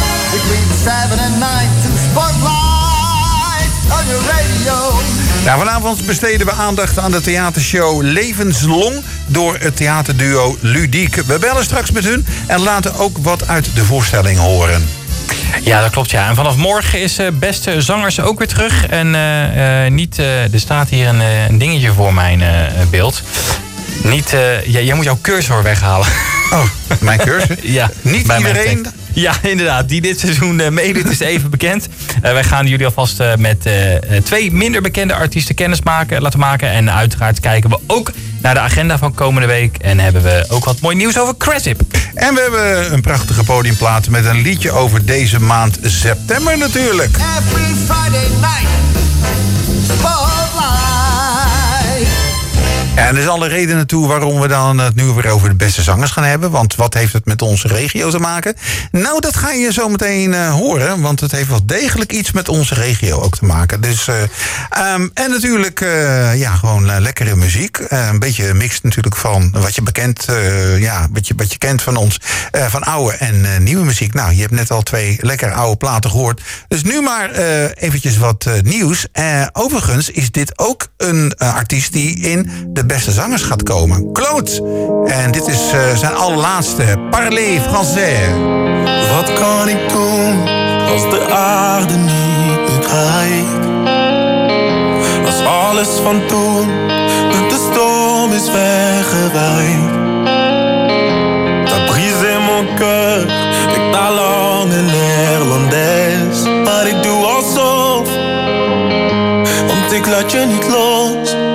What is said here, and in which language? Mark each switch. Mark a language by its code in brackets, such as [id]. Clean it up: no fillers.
[en] Between 7 and 9 to Spotlight on your radio. [nl] Nou, vanavond besteden we aandacht aan de theatershow Levenslong door het theaterduo Ludiek. We bellen straks met hun en laten ook wat uit de voorstelling horen. Ja, dat klopt, ja. En vanaf morgen is Beste Zangers ook weer terug. En er staat hier een dingetje voor mijn beeld. Jij moet jouw cursor weghalen. Oh, mijn cursor? Ja. Niet bij iedereen? Ja, inderdaad. Die dit seizoen meedoet is even bekend. Wij gaan jullie alvast met twee minder bekende artiesten laten maken. En uiteraard kijken we ook naar de agenda van komende week. En hebben we ook wat mooi nieuws over Cresip. En we hebben een prachtige podiumplaat met een liedje over deze maand september natuurlijk. [en] Every Friday night, spotlight. [nl] Ja, en er is alle redenen toe waarom we dan het nu weer over de beste zangers gaan hebben. Want wat heeft het met onze regio te maken? Nou, dat ga je zo meteen horen. Want het heeft wel degelijk iets met onze regio ook te maken. Dus, en natuurlijk gewoon lekkere muziek. Een beetje een mix natuurlijk van wat je bekend, wat je kent van ons. Van oude en nieuwe muziek. Nou, je hebt net al twee lekkere oude platen gehoord. Dus nu maar eventjes wat nieuws. Overigens is dit ook een artiest die in de beste zangers gaat komen. Claude. En dit is zijn allerlaatste. [fr] Parler français. [nl] Wat kan ik doen als de aarde niet meer draait? Als alles van toen met de storm is weggewaaid. [fr] T'as brisé mon cœur avec ta langue néerlandaise. [nl] Maar ik doe alsof, want ik laat je niet los.